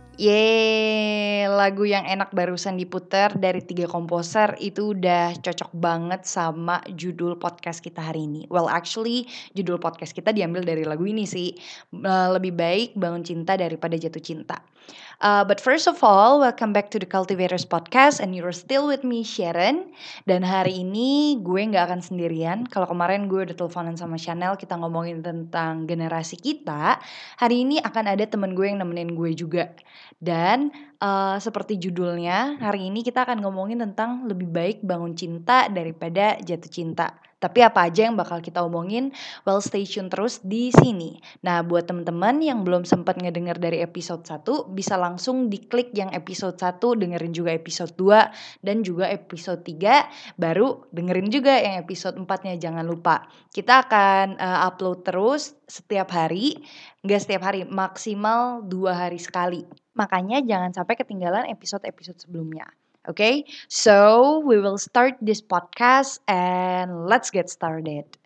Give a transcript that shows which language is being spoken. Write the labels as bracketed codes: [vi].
[id] Yeay, lagu yang enak barusan diputer dari 3 komposer itu udah cocok banget sama judul podcast kita hari ini. [en] Well, actually, [id] judul podcast kita diambil dari lagu ini sih. Lebih baik bangun cinta daripada jatuh cinta. [en] But first of all, welcome back to the Cultivators Podcast and you're still with me, Sharon. [id] Dan hari ini gue gak akan sendirian. Kalau kemarin gue udah teleponan sama Chanel, kita ngomongin tentang generasi kita. Hari ini akan ada teman gue yang nemenin gue juga. Dan seperti judulnya, hari ini kita akan ngomongin tentang lebih baik bangun cinta daripada jatuh cinta. Tapi apa aja yang bakal kita omongin? [en] Well, stay tune [id] terus di sini. Nah, buat teman-teman yang belum sempat ngedenger dari episode 1, bisa langsung diklik yang episode 1, dengerin juga episode 2, dan juga episode 3, baru dengerin juga yang episode 4-nya, jangan lupa. Kita akan upload terus setiap hari, nggak setiap hari, maksimal 2 hari sekali. Makanya jangan sampai ketinggalan episode-episode sebelumnya. [en] Okay, so we will start this podcast and let's get started.